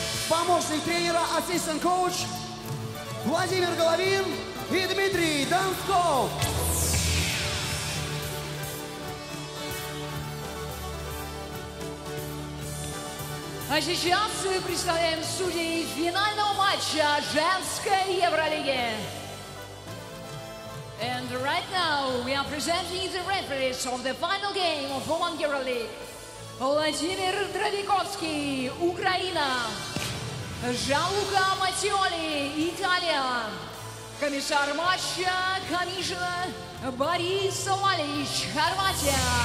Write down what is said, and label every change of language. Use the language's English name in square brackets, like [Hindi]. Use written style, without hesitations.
[Russian] Помощник тренера, ассистент коуч Владимир Головин и Дмитрий Донсков. А сейчас мы представляем судей финального матча женской Евролиги. [English] And right now we are presenting the referees of the final game of Women Euroleague. [Russian] Владимир Дравиковский, Украина. Жан-Лука Матиоли, Италия. Комиссар матча, комиссия Борис Овалич, Хорватия.